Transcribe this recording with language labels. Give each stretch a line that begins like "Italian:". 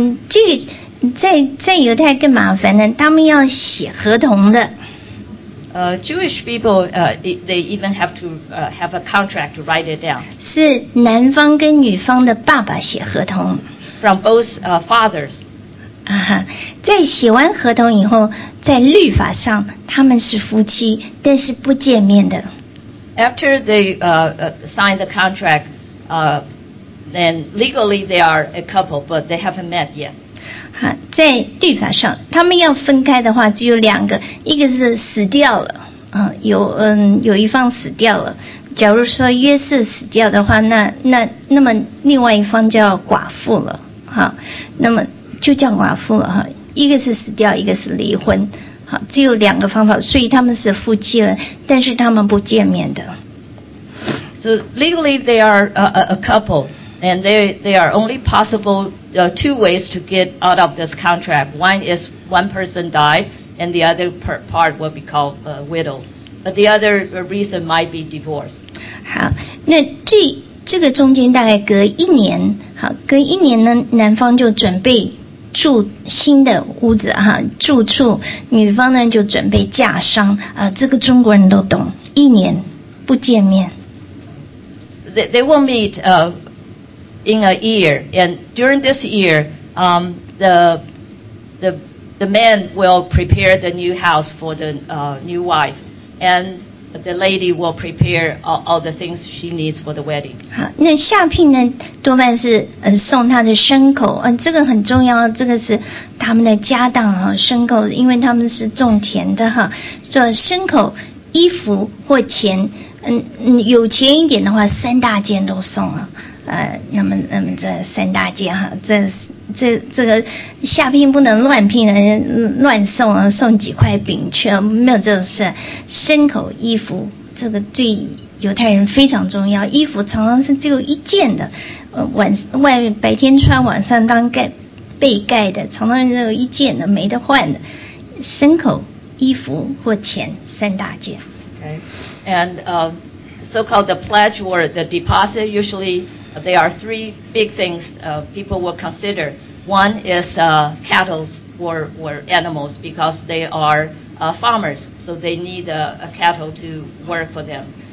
Chinese: 这个在犹太更麻烦呢，他们要写合同的。
English: Jewish people, they even have to have a contract to write it down.
Chinese: 是男方跟女方的爸爸写合同。
English: From both fathers.
Chinese: 在写完合同以后，在律法上他们是夫妻，但是不见面的。
English: After they sign the contract, then legally they are a couple, but they haven't met yet.
Chinese: 在律法上，他们要分开的话，只有两个，一个是死掉了，有一方死掉了。假如说约瑟死掉的话，那么另外一方就要寡妇了。好，那么就叫寡妇了哈。一个是死掉，一个是离婚。好，只有两个方法，所以他们是夫妻了，但是他们不见面的。
English: So legally they are a couple, and they are only possible two ways to get out of this contract. One is one person died, and the other part will be called a widow. But the other reason might be divorce.
Chinese: 好，那这个中间大概隔一年，好，隔一年呢，男方就准备住新的屋子哈，住处，女方呢就准备嫁商啊，这个中国人都懂，一年不见面。
English: They won't meet in a year, and during this year, the man will prepare the new house for the new wife, and the lady will prepare all the things she needs for the wedding.
Chinese: 好，那下聘呢，多半是送他的牲口，这个很重要，这个是他们的家当哈，牲口，因为他们是种田的哈，所以牲口、衣服或钱。有钱一点的话，三大件都送了。那么这三大件哈，这个下聘不能乱聘的，乱送啊，送几块饼去，没有这种事。牲口、衣服，这个对犹太人非常重要。衣服常常是只有一件的，外面白天穿，晚上当盖被盖的，常常只有一件的，没得换的。牲口、衣服或钱，三大件。
English: Okay. And so-called the pledge or the deposit, usually there are three big things people will consider. One is cattle or animals, because they are farmers, so they need a cattle to work for them.